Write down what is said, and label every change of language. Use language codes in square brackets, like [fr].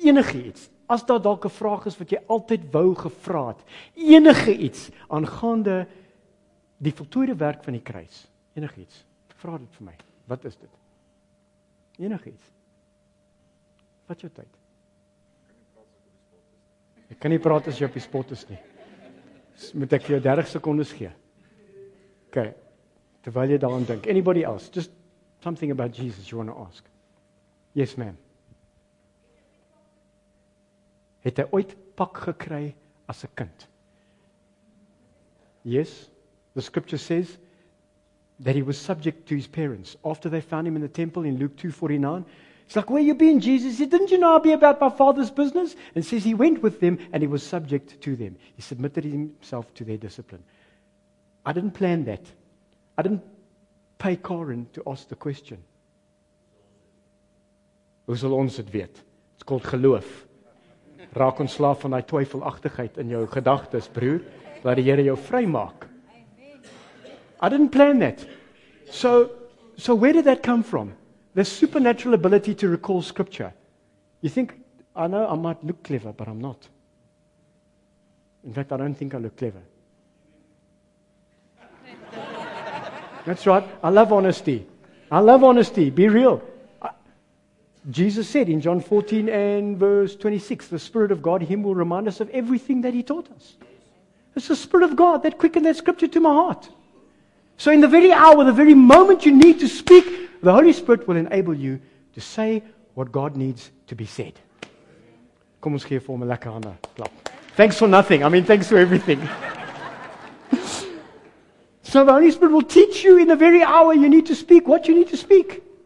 [af] Enige iets, as daar dalk 'n vraag is wat jy altyd wou gevra het, enige iets aangaande die voltooide werk van die kruis, enige iets, vra dit vir my, wat is dit? Enige iets. Wat jou tyd? Ek kan nie praat as jy op die spot is nie. Moet ek vir jou 30 sekondes gee? Okay. Terwyl jy daaraan dink. [en] Anybody else? Just something about Jesus you want to ask. Yes, ma'am. [af] Het hy ooit pak gekry as 'n kind? [en] Yes. The scripture says that he was subject to his parents. After they found him in the temple in Luke 2:49, it's like, where you been, Jesus? He said, didn't you know I'll be about my father's business? And says he went with them and he was subject to them. He submitted himself to their discipline. I didn't plan that. I didn't pay Karen to ask the question. [af] Hoe sal ons dit weet? [en] It's called [af] geloof. Raak ons slaaf van die twyfelachtigheid in jou gedagtes, broer, dat die Here jou vry maak. [en] I didn't plan that. So where did that come from? The supernatural ability to recall scripture. You think, I know I might look clever, but I'm not. In fact, I don't think I look clever. That's right. I love honesty. I love honesty. Be real. Jesus said in John 14 and verse 26, the Spirit of God, Him will remind us of everything that He taught us. It's the Spirit of God that quickened that scripture to my heart. So in the very hour, the very moment you need to speak, the Holy Spirit will enable you to say what God needs to be said. [af] Kom ons gee vir hom 'n lekker hande klap. [en] Thanks for nothing. I mean, thanks for everything. So the Holy Spirit will teach you in the very hour you need to speak what you need to speak.